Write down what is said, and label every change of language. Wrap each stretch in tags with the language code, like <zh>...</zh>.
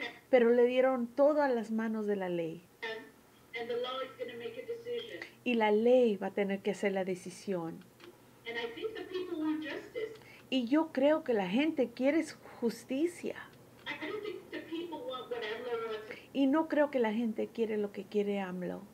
<es>Pero le dieron todo a las manos de la ley.</es> <en>And the law is gonna make a decision.</en> <es>Y la ley va a tener que hacer la decisión.</es> <en>And I think the people want justice.</en> <es>Y yo creo que la gente quiere justicia.</es> <en>I don't think the people want what AMLO wants.</en> <es>Y no creo que la gente quiere lo que quiere AMLO.</es>